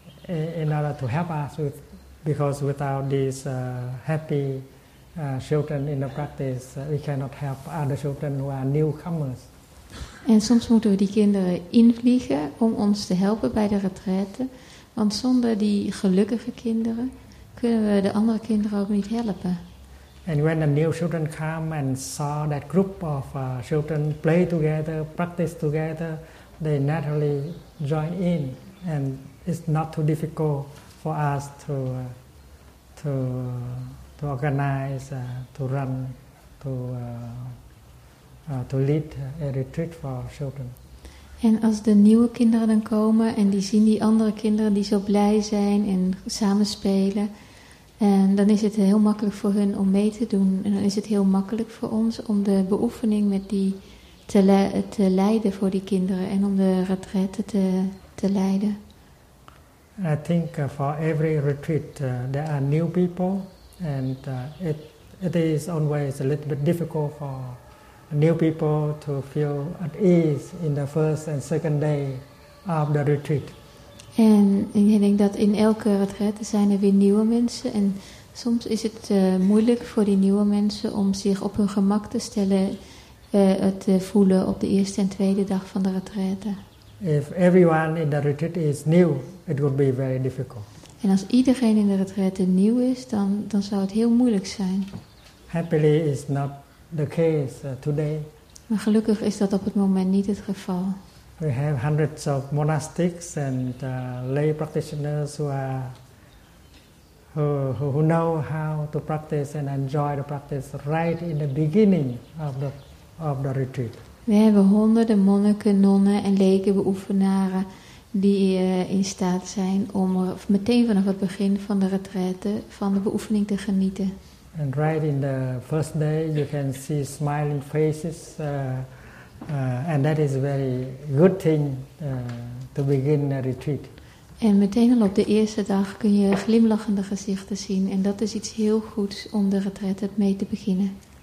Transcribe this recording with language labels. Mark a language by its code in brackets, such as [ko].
[en] In order to help us, because without these happy children in the practice, we cannot help other children who are newcomers. [nl] En soms moeten we die kinderen invliegen om ons te helpen bij de retraite, want zonder die gelukkige kinderen kunnen we de andere kinderen ook niet helpen. [en] And when the new children come and saw that group of children play together, practice together, they naturally join in and it's not too difficult for us to organize, to run, to lead a retreat for children. [nl] En als de nieuwe kinderen dan komen en die zien die andere kinderen die zo blij zijn en samen spelen, en dan is het heel makkelijk voor hun om mee te doen. En dan is het heel makkelijk voor ons om de beoefening met die te leiden voor die kinderen en om de retraite te leiden. [en] I think for every retreat there are new people and it is always a little bit difficult for new people to feel at ease in the first and second day of the retreat. [nl] En ik denk dat in elke retreat zijn er weer nieuwe mensen en soms is het moeilijk voor die nieuwe mensen om zich op hun gemak te stellen te voelen op de eerste en tweede dag van de retraite. [en] If everyone in the retreat is new, it would be very difficult. [nl] En als iedereen in de retraite nieuw is, dan zou het heel moeilijk zijn. [en] Happily, it's not the case today. [nl] Maar gelukkig is dat op het moment niet het geval. [en] We have hundreds of monastics and lay practitioners who know how to practice and enjoy the practice right in the beginning of the retreat. [nl] We hebben honderden monniken, nonnen en leken beoefenaren die in staat zijn om meteen vanaf het begin van de retraite van de beoefening te genieten. [en] And right in the first day you can see smiling faces and that is a very good thing to begin a retreat. [nl] En meteen al op de eerste dag kun je glimlachende gezichten zien en dat is iets heel goeds om de retraite mee te beginnen.